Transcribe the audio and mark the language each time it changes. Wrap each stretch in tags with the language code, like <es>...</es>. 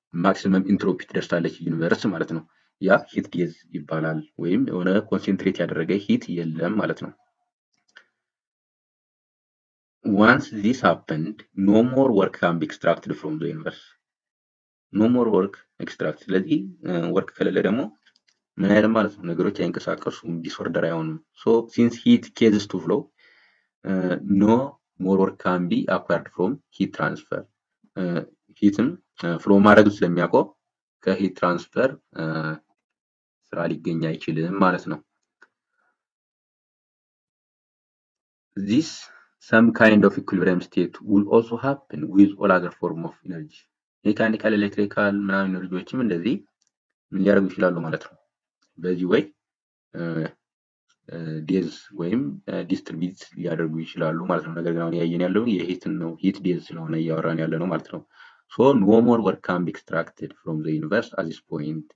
<am>ማክሲመም ኢንትሮፒ ትደርሳለች ዩኒቨርስ ማለት ነው። ያ ሂት ጌዝ ይባላል ወይም ሆነ ኮንሰንትሬት ያደረገ ሂት የለም ማለት ነው።</am> <en>Once this happened, no more work can be extracted from the universe. No more work extracted.</en> <am>ስለዚ work ከለለ ደግሞ ምን አይደለም ማለት ነው። ነገሮች አይንቀሳቀሱ disorder አይሆንም።</am> <en>So since heat ceases to flow, no more work can be acquired from heat transfer.</en> <am>ሂትም flow ማድረግ ስለሚያቆ ከheat transfer ስራ ሊገኝ አይችልም ማለት ነው።</am> <en>This some kind of equilibrium state will also happen with all other form of energy. Mechanical, electrical,</en> <am>ምናምን ነገሮችም እንደዚህ ምን ሊያደርጉ ይችላሉ ማለት ነው። በዚህ ወይ ዴዝ ወይም ዲስትሪቢዩት ሊያደርጉ ይችላሉ ማለት ነው። ነገር ግን አሁን ያየን ያለው የሂት ነው። ሂት ዴዝ ስለሆነ እያወራን ያለ ነው ማለት ነው።</am> <en>So no more work can be extracted from the universe at this point.</en>